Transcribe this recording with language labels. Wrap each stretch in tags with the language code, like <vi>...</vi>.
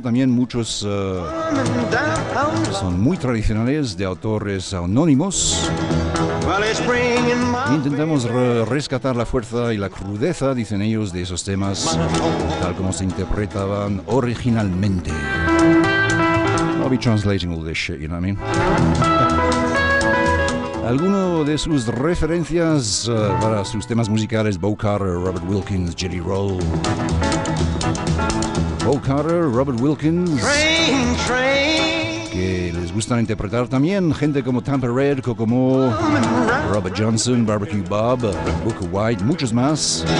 <es>También muchos son muy tradicionales, de autores anónimos. Intentamos rescatar la fuerza y la crudeza, dicen ellos, de esos temas, tal como se interpretaban originalmente.</es> <en>I'll be translating all this shit, you know what I mean?</en> <es>Alguno de sus referencias para sus temas musicales: Bo Carter, Robert Wilkins, Jelly Roll. Bo Carter, Robert Wilkins. Train, train. Que les gustan interpretar también gente como Tampa Red, Kokomo, Robert Johnson, Barbecue Bob, Booker White, muchos más.</es>